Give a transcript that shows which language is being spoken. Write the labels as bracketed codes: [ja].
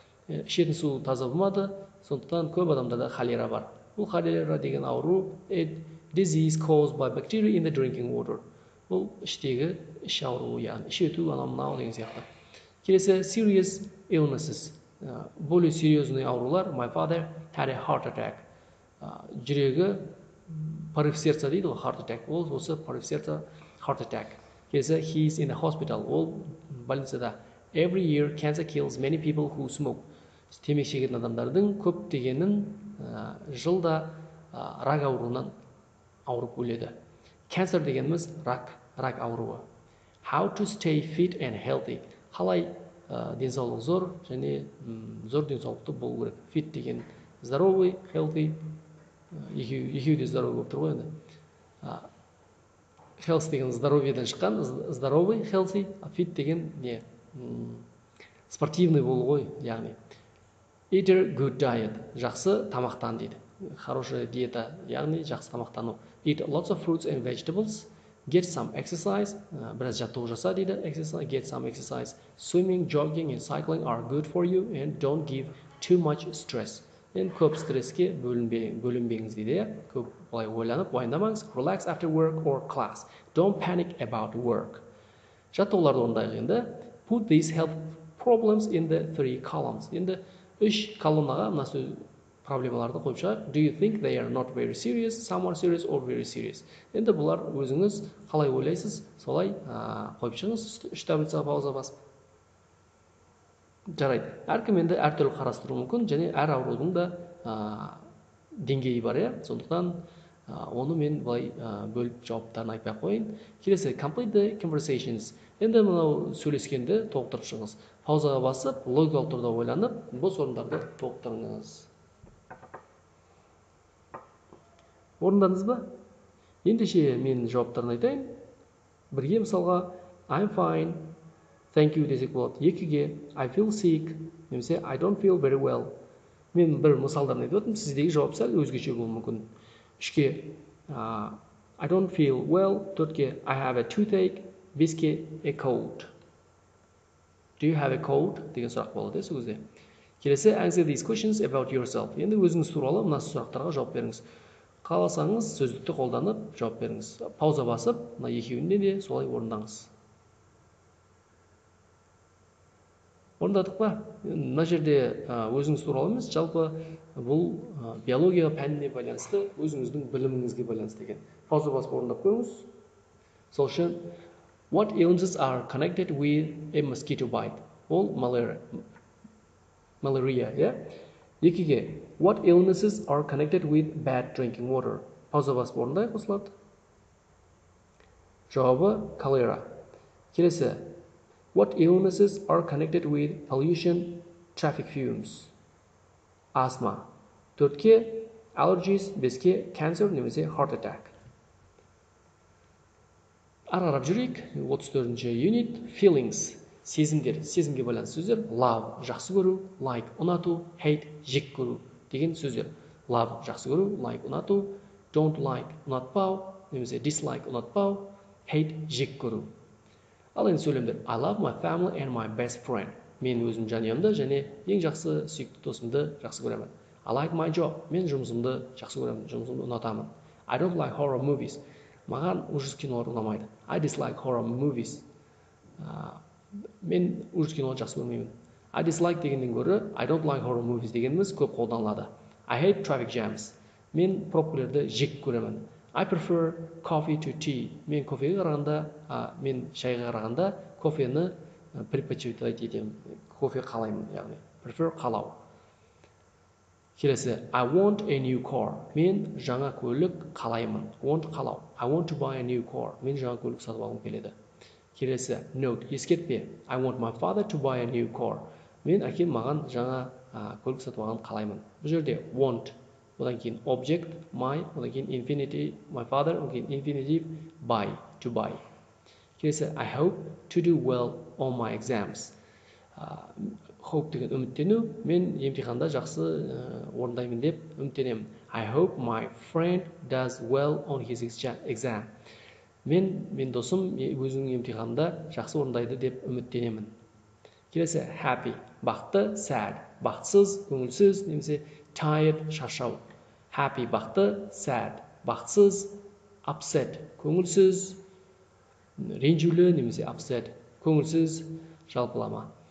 [kk] Ішетін су таза болмады, сондықтан көп адамдарда холера бар. Бұл холера деген ауру, [en] disease caused by bacteria in the drinking water. [kk] Бұл іштегі іш ауруы, яғни ішету анау деген сияқты. [en] Келесі, serious illnesses. [ru] Более серьезные [kk] аурулар. [en] My father had a heart attack. [kk] Жүрегі [ru] порыв сердца [kk] дейді ол, [en] heart attack. [kk] Ол осы порыв сердца, heart attack. [en] Келесі, he is in a hospital. [kk] Ол больницада. [en] Every year cancer kills many people who smoke. [kk] Темекі шегетін адамдардың көп дегенін жылда рак ауруынан ауырып өледі. Cancer дегеніміз рак ауруы. [en] How to stay fit and healthy? [kk] Қалай денсаулық зор және зор денсаулықты болу керек. Fit деген здоровый, healthy. Екеуі де здоровый болып тұр ғой енді. Health деген здоровьеден шыққан, здоровый, healthy, а fit деген не? Спортивный болу ғой, яғни. [en] Eat a good diet. [kk] Жақсы тамақтан дейді. [ru] Хорошая диета, [kk] яғни жақсы тамақтану. [en] Eat lots of fruits and vegetables. Get some exercise. [kk] Біраз жаттығу жаса дейді. [en] Get some exercise. Swimming, jogging and cycling are good for you. And don't give too much stress. [kk] Енді көп стресске бөлінбеңіз дейді. Көп олай ойланып, уайымдамаңыз. [en] Relax after work or class. Don't panic about work. [kk] Жаттығуларды орындайық енді. [en] Put these health problems in the three columns. [kk] Енді үш колоннаға мынасы проблемаларды қойып шығарып, [en] do you think they are not very serious, some are serious or very serious? [kk] Енді бұлар өзіңіз қалай ойлайсыз, солай қойып шығыңыз, үш таблицаға пауза басып. Жарайды, әркім енді әртүрлі қарастыру мүмкін, және әр аурудың да деңгейі бар, сондықтан оны мен бұлай бөліп жауаптарын айтпай қойын. Келесі, complete the conversations. Енді мынау сөйлескенді толықтырып шығыңыз. Паузаға басып, логикалық тұрда ойланып, бос орындарды толықтырыңыз. Орындадыңыз ба? Ендеше мен жауаптарын айтайын. Бірге мысалға, [en] I'm fine. Thank you [kk] десек болады. [en] Екіге, I feel sick. Немесе, I don't feel very well. [kk] Мен бір мысалдарын айтып отырмын, сіздегі жауап сәл өзгеше болуы мүмкін. [en] Үшке, I don't feel well. Төртке, I have a toothache. Беске, a cold. Do you have a cold? [kk] Деген сұрақ болады, сол кезде. Келесі, answer these questions about yourself. Енді өзіңіз туралы мына сұрақтарға жауап беріңіз. Қаласаңыз, сөздікті қолданып жауап беріңіз. Пауза басып, мына екеуінде де солай орындаңыз. Орындадық па? Мына жерде өзіңіз туралы емес, жалпы бұл биология пәніне байланысты, өзіңіздің біліміңізге байланысты екен. Пауза басып орындап көріңіз. [en] Сол үшін, what illnesses are connected with a mosquito bite? Ол malaria, yeah? Екеге, what illnesses are connected with bad drinking water? [kk] Пауза басып орындайық осылады. Жауабы cholera. [en] Келесі, what illnesses are connected with pollution, traffic fumes? Asthma. Төртке, allergies, беске, cancer, немесе heart attack. [kk] Ара-арап жүрейік, 34-ші unit, feelings, сезімдер, сезімге байланысты сөздер, love, жақсы көру, like, ұнату, hate, жек көру, деген сөздер, love, жақсы көру, like, ұнату, don't like, ұнатпау, немесе dislike, ұнатпау, hate, жек көру. Ал енді сөйлемдер, [en] I love my family and my best friend, [kk] мен өзім жанұямды және ең жақсы сүйікті досымды жақсы көремін. [en] I like my job, [kk] мен жұмысымды жақсы көремін, жұмысымды ұнатамын. [en] I don't like horror movies. [kk] Маған ужас кинолар ұнамайды. [en] I dislike horror movies. [kk] Мен ужас кинолар жақсы көрмеймін. [en] I dislike [kk] дегенден көрі, [en] I don't like horror movies [kk] дегеніміз көп қолданылады. [en] I hate traffic jams. [kk] Мен пробкілерді жек көремін. [en] I prefer coffee to tea. [kk] Мен кофеге қарағанда, мен шайға қарағанда кофені предпочитать етемін. Кофе қалаймын, яғни. Prefer қалау. [en] Келесі, I want a new car. [kk] Мен жаңа көлік қалаймын. [en] Want қалау. I want to buy a new car. [kk] Мен жаңа көлік сатып алғым келеді. Келесі, note, ескертпе. [en] I want my father to buy a new car. [kk] Мен әкем маған жаңа көлік сатып алғанын қалаймын. Бұл жерде want, одан кейін object, my, одан кейін infinity, my father, одан кейін infinitive, buy, to buy. [en] Келесі, I hope to do well on my exams. [kk] Hope деген үміттену, мен емтиханда жақсы орындаймын деп үміттенемін. [en] I hope my friend does well on his exam. [kk] Мен досым өзінің емтиханда жақсы орындайды деп үміттенемін. Келесі, happy, бақытты, sad, бақытсыз, көңілсіз, немесе tired, шаршау. Happy, бақытты, sad, бақытсыз, upset, көңілсіз, ренжулі, немесе upset, көңілсіз, жалпылама.